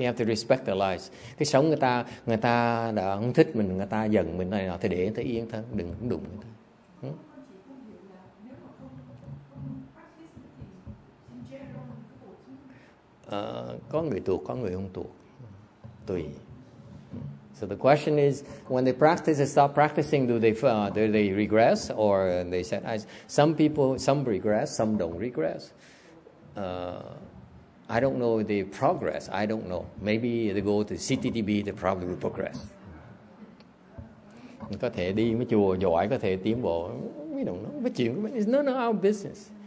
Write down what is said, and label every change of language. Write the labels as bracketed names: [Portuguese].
[English] You have to respect their lives. [Vietnamese] Cái sống người ta đã không thích mình, người ta giận mình này nọ, thì để người ta yên thân, đừng đụng người ta. Có người tuột, có người không tuột. Tùy. [English] So the question is, when they practice and stop practicing, do they regress or they said, some regress, some don't regress. I don't know if they progress. I don't know. Maybe they go to CTTB, they probably will progress. [Vietnamese] Có thể đi mấy chùa giỏi, có thể tiến bộ. [English] We don't know. [Vietnamese] Cái chuyện của mình. [English] It's none of our business.